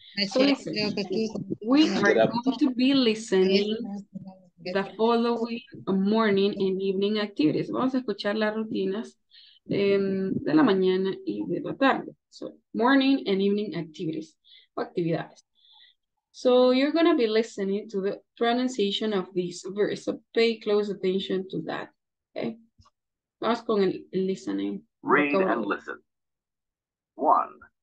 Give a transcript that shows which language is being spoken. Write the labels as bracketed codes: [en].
[en] So listen, we are going to be listening the following morning and evening activities. [es] Vamos a escuchar las rutinas de la mañana y de la tarde. [en] So morning and evening activities, [es] o actividades. [en] So you're going to be listening to the pronunciation of these verbs. So pay close attention to that. Okay. [es] Vamos con el listening. [en] Read and listen. One.